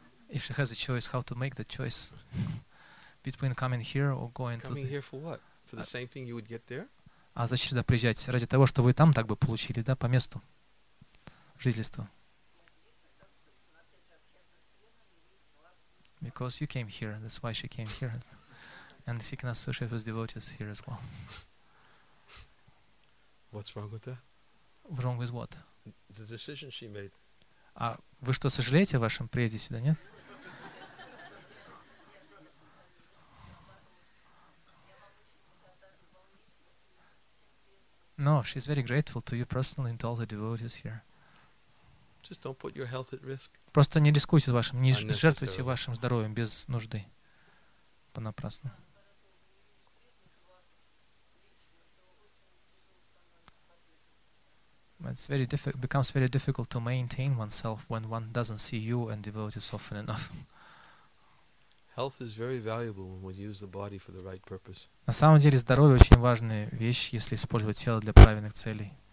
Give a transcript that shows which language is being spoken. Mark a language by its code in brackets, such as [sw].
[en] If she has a choice, how to make the choice between coming here or going to the... Coming here for what? For the same thing you would get there? [ru] А зачем сюда приезжать? Ради того, что вы там так бы получили, да, по месту жительства. [en] Because you came here, that's why she came here. And she can associate with devotees here as well. What's wrong with that? Wrong with what? The decision she made. [ru] А вы что, сожалеете о вашем приезде сюда, нет? [en] No, she's very grateful to you personally and to all the devotees here. Just don't put your health at risk. [ru] Просто не рискуйте вашим, не жертвуйте вашим здоровьем без нужды. Понапрасну. [en] It's very becomes very difficult to maintain oneself when one doesn't see you and devotees often enough. Health is very valuable when we use the body for the right purpose. [ru] На самом деле здоровье очень важная вещь, если использовать тело для правильных целей.